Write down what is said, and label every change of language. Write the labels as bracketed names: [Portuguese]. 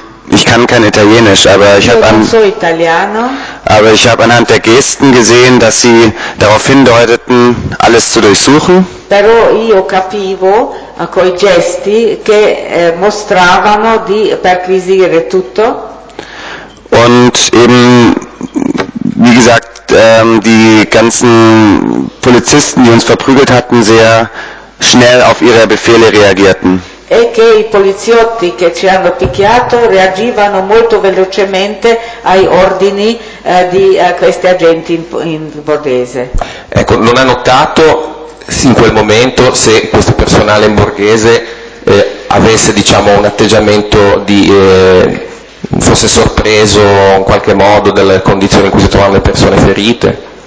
[German] Ich kann kein Italienisch, aber ich habe anhand der Gesten gesehen, dass sie darauf hindeuteten, alles zu durchsuchen. [Italian] Però io capivo coi gesti che mostravano di perquisire tutto. [German] Und eben, wie gesagt, die ganzen Polizisten, die uns verprügelt hatten, sehr schnell auf ihre Befehle reagierten. [Italian] E che i poliziotti che ci hanno picchiato reagivano molto velocemente ai ordini di questi agenti in borghese. Ecco, non ha notato in quel momento se questo personale in borghese avesse, diciamo, un atteggiamento di fosse sorpreso in qualche modo delle condizioni in cui si trovano le persone ferite.